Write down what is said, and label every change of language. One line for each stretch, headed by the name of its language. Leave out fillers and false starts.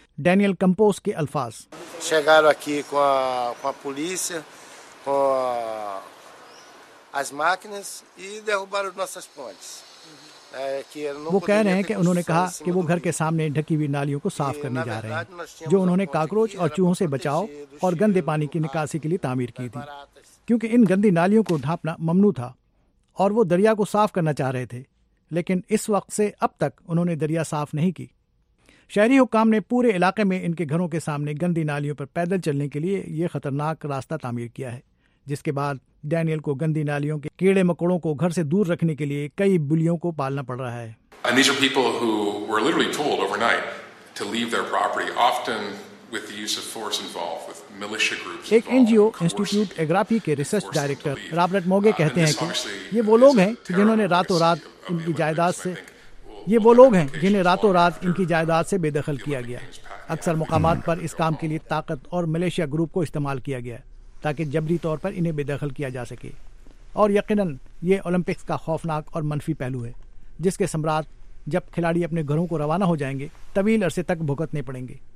Urdu: Daniel compose کے الفاظ: وہ کہہ رہے ہیں کہ انہوں نے کہا کہ وہ گھر کے سامنے ڈھکی ہوئی نالیوں کو صاف کرنے جا رہے ہیں جو انہوں نے کاکروچ اور چوہوں سے بچاؤ اور گندے پانی کی نکاسی کے لیے تعمیر کی تھی, کیونکہ ان گندی نالیوں کو ڈھانپنا ممنوع تھا اور وہ دریا کو صاف کرنا چاہ رہے تھے, لیکن اس وقت سے اب تک انہوں نے دریا صاف نہیں کی. شہری حکام نے پورے علاقے میں ان کے گھروں کے سامنے گندی نالیوں پر پیدل چلنے کے لیے یہ خطرناک راستہ تعمیر کیا ہے, جس کے بعد ڈینیل کو گندی نالیوں کے کیڑے مکوڑوں کو گھر سے دور رکھنے کے لیے کئی بلیوں کو پالنا پڑ رہا ہے.
English: And these are people who were literally told overnight to leave their property, often with the use of force involved, with militia groups involved.
Urdu: ایک این جی او انسٹیٹیوٹ ایگرافی کے ریسرچ ڈائریکٹر رابرٹ موگے کہتے ہیں کہ یہ وہ لوگ ہیں جنہوں نے راتوں رات ان کی جائیداد سے بے دخل کیا گیا. اکثر مقامات پر اس کام کے لیے طاقت اور ملیشیا گروپ کو استعمال کیا گیا تاکہ جبری طور پر انہیں بے دخل کیا جا سکے, اور یقیناً یہ اولمپکس کا خوفناک اور منفی پہلو ہے جس کے ثمرات جب کھلاڑی اپنے گھروں کو روانہ ہو جائیں گے طویل عرصے تک بھگتنے پڑیں گے.